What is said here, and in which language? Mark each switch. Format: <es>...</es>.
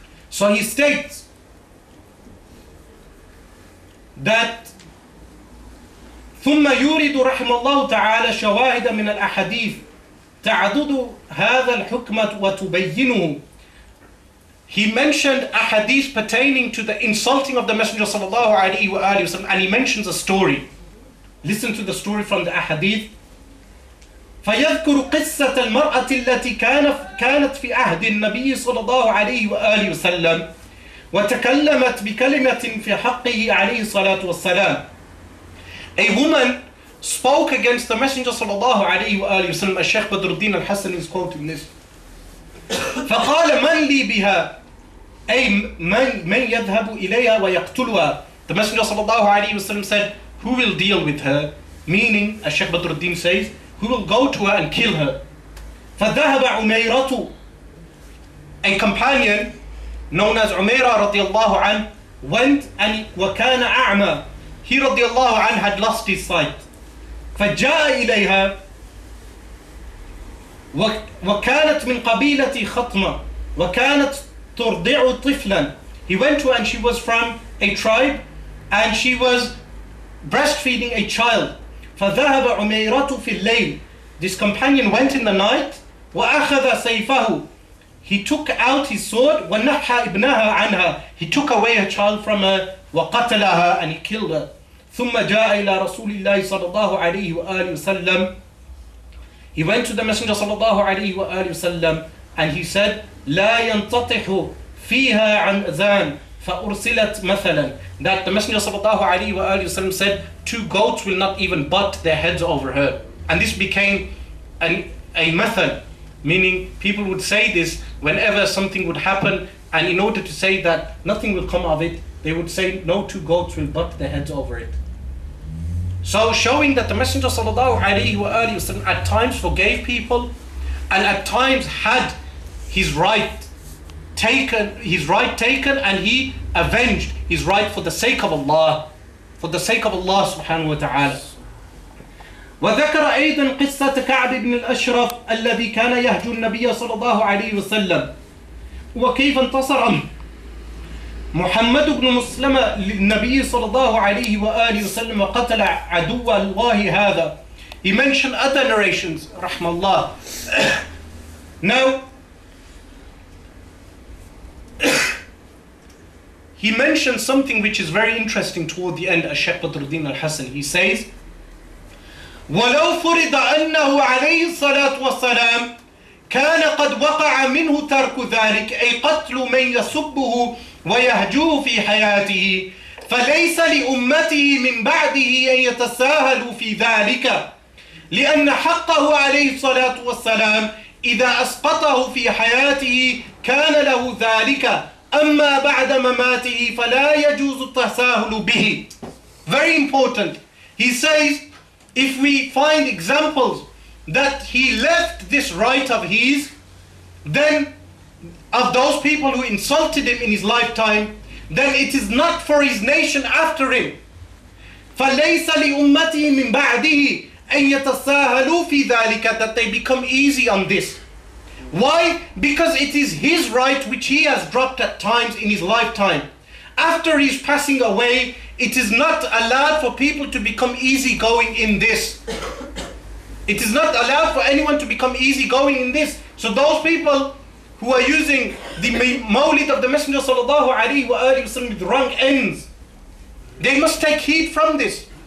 <en>So he states that</en> <ar>ثم يورد رحمه الله تعالى شواهد من الأحاديث تعدد هذا الحكمة وتبينه.</ar> <en>He mentioned a hadith pertaining to the insulting of the Messenger sallallahu alayhi wa alayhi wa sallam, and he mentions a story. Listen to the story from the ahadith.</en> <ar>فيذكر قصة المرأة التي كانت في أهد النبي صلى الله عليه وآله وسلم وتكلمت بكلمة في حقه عليه الصلاة والسلام.</ar> <en>A woman spoke against the Messenger sallallahu alayhi wa alayhi wa sallam. Al-Shaykh Badruddin Al-Hassan is quoting this.</en> <ar>فقال من لي بها أي من يذهب إليها ويقتلها.</ar> <en>The Messenger sallallahu alayhi wa sallam said, who will deal with her? Meaning, Al-Shaykh Badruddin says, who will go to her and kill her?</en> <ar>فذهب عميرة,</ar> <en>a companion known as Umayra radiallahu anhu went and</en> <ar>وكان أعمى.</ar> <en>He radiallahu anhu had lost his sight.</en> <ar>فجاء إليها وكانت من قبيلة خطمة وكانت ترضع طفلا.</ar> <en>He went to her and she was from a tribe and she was breastfeeding a child.</en> <ar>فذهب عميرة في الليل.</ar> <en>This companion went in the night.</en> <ar>وأخذ سيفه.</ar> <en>He took out his sword.</en> <ar>ونحى ابنها عنها.</ar> <en>He took away her child from her.</en> <ar>وقتلها,</ar> <en>and he killed her.</en> <ar>ثم جاء إلى رسول الله صلى الله عليه وآله وسلم.</ar> <en>He went to the Messenger صلى الله عليه وآله وسلم and he said,</en> <ar>لا ينتطح فيها عن أذان فأرسلت مثلا.</ar> <en>That the Messenger صلى الله عليه وآله وسلم said, two goats will not even butt their heads over her. And this became a method, meaning people would say this whenever something would happen, and in order to say that nothing will come of it, they would say, no two goats will butt their heads over it. So showing that the Messenger sallallahu alayhi wa alayhi wa sallam at times forgave people, and at times had his right taken, and he avenged his right for the sake of Allah, for the sake of Allah subhanahu wa ta'ala.</en> <ar>وذكر أيضا قصة كعب بن الأشرف الذي كان يهجو النبي صلى الله عليه وسلم وكيف انتصر محمد بن مسلم للنبي صلى الله عليه وآله وسلم وقتل عدو الله هذا.</ar> <en>He mentioned other narrations, رحم الله. Now, he mentioned something which is very interesting toward the end, الشيخ بدر الدين الحسن. He says,</en> <ar>وَلَوْ فُرِضَ أَنَّهُ عَلَيْهِ الصَّلَاةُ وَالسَّلَامُ كَانَ قَدْ وَقَعَ مِنْهُ تَرْكُ ذَلِكَ أي قتل من يسبه ويهجوه في حياته فليس لأمته من بعده أن يتساهلوا في ذلك لأن حقه عليه الصلاة والسلام إذا أسقطه في حياته كان له ذلك أما بعد مماته فلا يجوز التساهل به.</ar> <en>Very important. He says, if we find examples that he left this right of his, then of those people who insulted him in his lifetime, then it is not for his nation after him.</en> <ar>فَلَيْسَ لِأُمَّتِهِ مِنْ بَعْدِهِ أَنْ يَتَسَاهَلُوا فِي ذَلِكَ,</ar> <en>that they become easy on this. Why? Because it is his right which he has dropped at times in his lifetime. After his passing away, it is not allowed for people to become easygoing in this. It is not allowed for anyone to become easygoing in this. So those people who are using the maulid of the Messenger sallallahu alayhi wa alayhi wa sallam with wrong ends, they must take heed from this.</en>